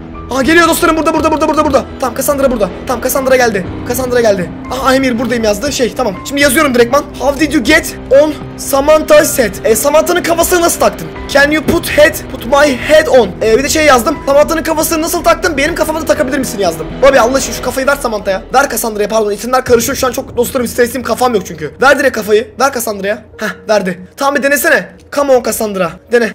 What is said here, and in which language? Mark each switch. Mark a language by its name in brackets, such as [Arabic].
[Turkish] Aha geliyor dostlarım, burada. Tamam Cassandra burada. Tamam Cassandra geldi. Aha Emir buradayım yazdı. Tamam. Şimdi yazıyorum direktman. [English] How did you get on Samantha's head? [Turkish] Samantha'nın kafasını nasıl taktın? [English] Can you put my head on? [Turkish] Bir de yazdım. Samantha'nın kafasını nasıl taktın? Benim kafama da takabilir misin yazdım. Bobby Allah aşkına şu kafayı ver Samantha'ya. Ver Cassandra'ya, pardon. İsimler karışıyor şu an çok dostlarım, stresim, kafam yok çünkü. Ver direkt kafayı. Ver Cassandra'ya. Heh verdi. Tamam bir denesene. [English] Come on [Turkish] Cassandra. Dene.